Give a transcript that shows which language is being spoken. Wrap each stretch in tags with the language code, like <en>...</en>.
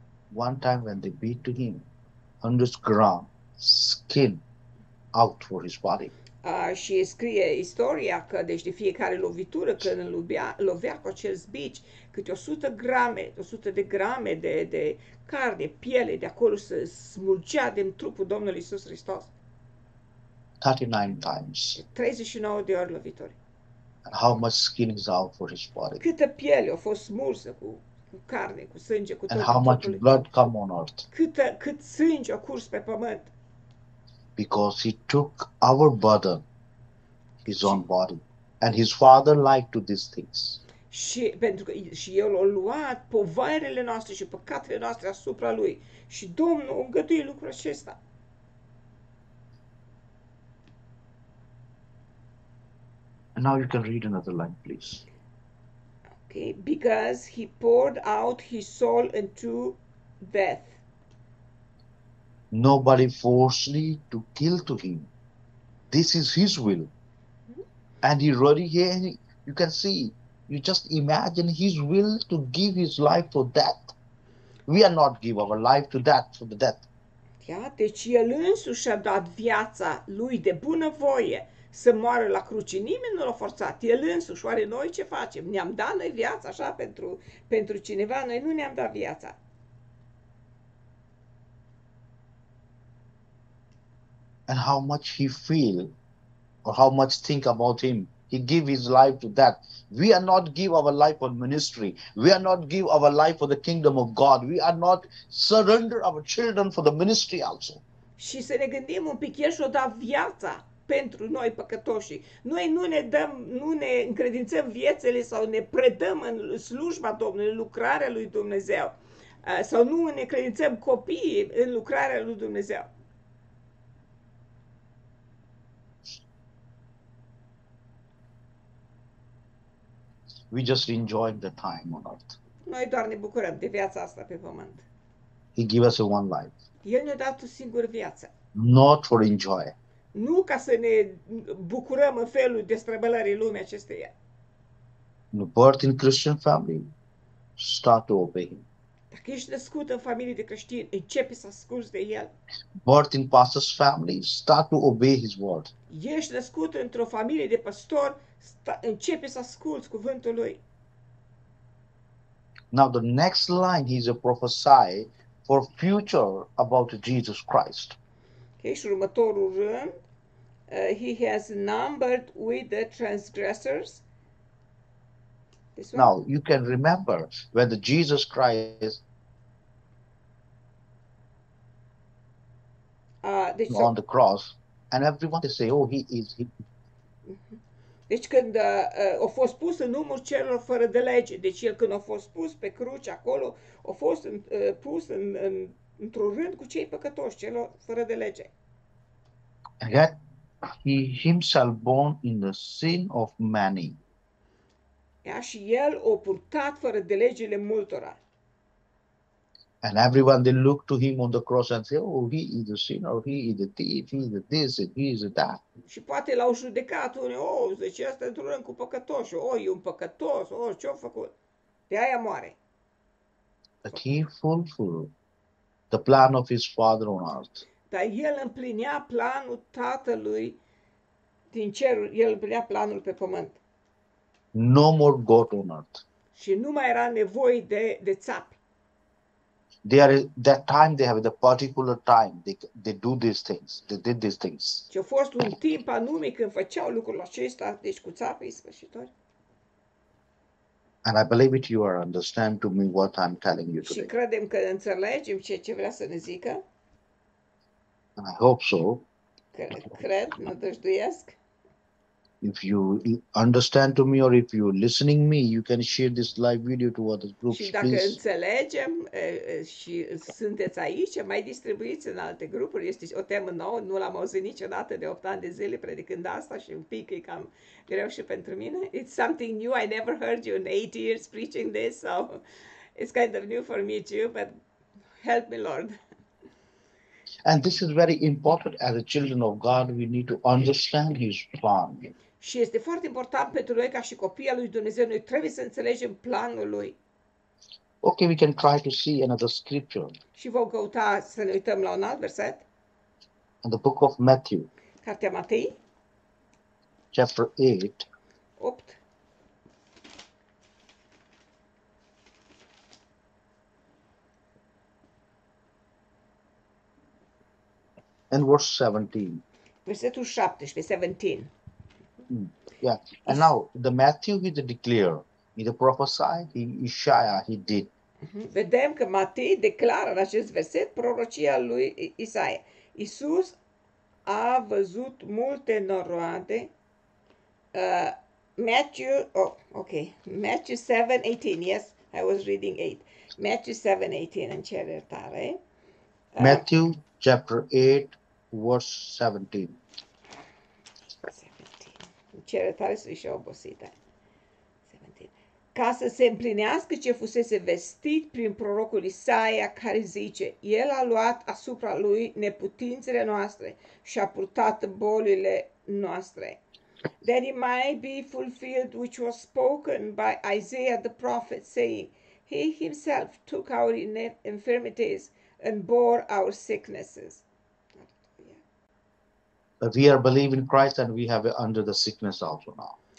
<en>One time when they beat to him, 100 gram skin out for his body.</en> <ro>Și scrie istoria că deci de fiecare lovitură când îl lovea cu acel zbici, câte 100 grame, 100 de grame de carne, piele de acolo se smulgea din trupul Domnului Iisus Hristos.</ro> <en>39 times.</en> <ro>39 de ori lovituri.</ro> <en>And how much skin is out for his body?</en> <ro>Câtă piele a fost smulsă cu carne, cu sânge, cu</ro> <en>and</en> <ro>tot</ro> <en>how much</en> <ro>totului.</ro> <en>Blood come on earth?</en> <ro>Cât sânge a curs pe pământ?</ro> <en>Because he took our burden, his own body, and his father liked to these things.</en> <ro>Și pentru că și el a luat povarele noastre și păcatele noastre asupra lui și Domnul a îngăduit lucrul acesta.</ro> <en>And now you can read another line, please. Okay, because he poured out his soul into death. Nobody forced me to kill to him. This is his will. And he really here, you can see, you just imagine his will to give his life for death. We are not give our life to death, for the death.</en> <ro>Yeah, deci el însuși a dat viața lui de bună voie să moară la cruce. Nimeni nu l-a forțat. El însuși, oare noi ce facem? Ne-am dat noi viața așa pentru cineva? Noi nu ne-am dat viața.</ro> <en>And how much he feel or how much think about him. He give his life to that. We are not give our life for ministry. We are not give our life for the kingdom of God. We are not surrender our children for the ministry also.</en> <ro>Și să ne gândim un pic, el și-o dat viața pentru noi păcătoși. Noi nu ne încredințăm viețile sau ne predăm în slujba Domnului, lucrarea lui Dumnezeu. Sau nu ne credințăm copiii în lucrarea lui Dumnezeu.</ro> <en>We just enjoy the time on earth.</en> <ro>Noi doar ne bucurăm de viața asta pe pământ.</ro> <en>He gave us one life.</en> <ro>El ne-a dat o singură viață.</ro> <en>Not for enjoy.</en> <ro>Nu ca să ne bucurăm în felul destrăbălării lumii acesteia.</ro> <en>No, birth in Christian family, start to obey him.</en> <ro>Dacă ești născut în familie de creștini, începi să asculți de el.</ro> <en>Birth in pastor's family, start to obey his word.</en> <ro>Ești născut într-o familie de păstori, începi să asculți cuvântul lui.</ro> <en>Now the next line is a prophecy for future about Jesus Christ. Okay,</en> <ro>și următorul rând,</ro> <en>he has numbered with the transgressors. This one? Now, you can remember when the Jesus Christ</en> <ro>deci,</ro> <en>on the cross, and everyone say, oh, he is him.</en> <ro>Deci când a fost pus în numul celor fără de lege, deci el când a fost pus pe cruce acolo, a fost pus într-un rând cu cei păcătoși, celor fără de lege.</ro> <en>Yet he himself born in the sin of many.</en> <ro>Ia și el a purtat fără de legile multora.</ro> <en>And everyone, they look to him on the cross and say, oh, he is a sinner, he is a thief, he is a this, and he is a that.</en> <ro>Și poate l-au judecat unii, oh, zice, asta într-un rând cu păcătoși, oh, e un păcătos, oh, ce-a făcut? De aia moare.</ro> <en>But he fulfilled the plan of his father on earth.</en> <ro>Dar el împlinea planul tatălui din cerul, el împlinea planul pe pământ.</ro> <en>No more God on earth.</en> <ro>Și nu mai era nevoie de țapi.</ro> <en>There is that time they have the particular time they do these things. They did these things.</en> <ro>Ce a fost un timp anume când făceau lucrurile acestea, deci cu țapii sfârșitori.</ro> <en>And I believe it, you are understand to me what I'm telling you today.</en> <ro>Și credem că înțelegem ce vrea să ne zică.</ro> <en>And I hope so.</en> <ro>Cred, nădăjduiesc.</ro> <en>If you understand to me or if you're listening to me, you can share this live video to other groups, please.</en> <ro>Și dacă înțelegem și sunteți aici, mai distribuiți în alte grupuri. Este o temă nouă, nu l-am auzit niciodată de 8 ani de zile predicând asta și un pic e cam greu și pentru mine.</ro> <en>It's something new, I never heard you in 8 years preaching this, so it's kind of new for me too, but help me, Lord. And this is very important as a children of God, we need to understand his plan.</en> <ro>Și este foarte important pentru noi ca și copii al lui Dumnezeu, noi trebuie să înțelegem planul lui.</ro> <en>Okay, we can try to see another scripture.</en> <ro>Și vom căuta să ne uităm la un alt verset.</ro> <en>In the book of Matthew.</en> <ro>Cartea Matei.</ro> <en>Chapter 8.</en> <ro>8.</ro> <en>And verse 17.</en> <ro>Versetul 17, 17.</ro> <en>Yeah, and now the Matthew he declare, he prophesied, he Isaiah he did.</en> <ro>Vedem că Matei declară în acest verset prorocia lui Isaia. Isus a văzut multe noroade.</ro> <en>Matthew, oh, okay, Matthew 7:18. Yes, I was reading 8. Matthew 7:18</en> <ro>în cer iertare.</ro> <en>Matthew chapter 8 verse 17.</en> <ro>Cere tare să fie obosită. Ca să se împlinească ce fusese vestit prin prorocul Isaia, care zice, el a luat asupra lui neputințele noastre și a purtat bolile noastre.</ro> <en>Then it might be fulfilled which was spoken by Isaiah the prophet, saying, he himself took our infirmities and bore our sicknesses. We are believing Christ and we have under the sickness also now.</en>